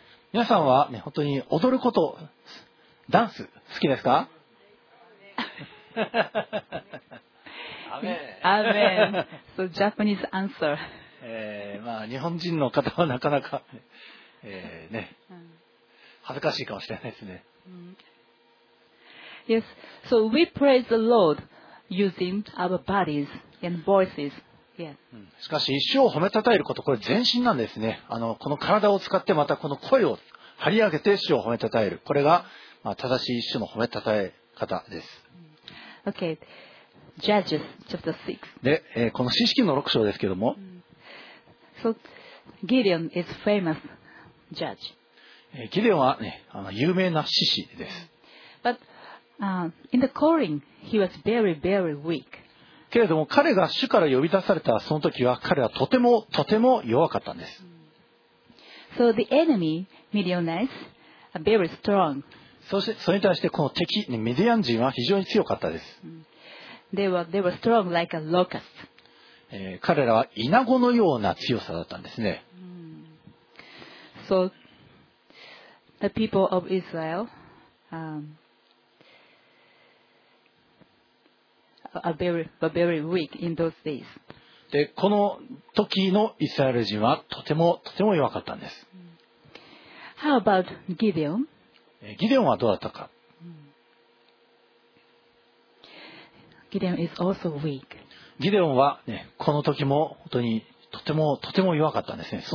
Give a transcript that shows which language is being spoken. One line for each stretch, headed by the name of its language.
Japanese: 皆さんは、ね、本当に踊ること、ダンス、好きですか？ア
English: ーメン。So Japanese answer.
Japanese: まあ日本人の方はなかなか、ね、恥ずかしいかもしれないですね。
English: Yes. So we praise the Lord using our bodies and voices. Yeah.
Japanese: しかし主を褒めたたえること、これ全身なんですね。この体を使ってまたこの声を張り上げて主を褒めたたえる。これが、まあ、正しい主の褒めたたえ方です。
English: Okay. Judges chapter 6.
Japanese: で、この詩式の6章ですけども、
English: So Gideon is famous judge.
Japanese: ギデオンはね、有名な獅子です。
English: But in the calling, he was very, very weak.
Japanese: けれども彼が主から呼び出されたその時は彼はとてもとても弱かったんです。
English: So the enemy, Midianites, are very strong.
Japanese: それに対してこの敵、ね、ミディアン人は非常に強かったです。
English: They were strong like a locust.
Japanese: 彼らはイナゴのような強さだったんですね。
English: So the people of Israel, are very weak in those days.
Japanese: で、この時のイスラエル人はとても弱かったんです。
English: How about Gideon?
Japanese: ギデオンはどうだったか。
English: Gideon is also weak.
Japanese: ギデオンは、ね、この時も本当にとても弱かったんですね。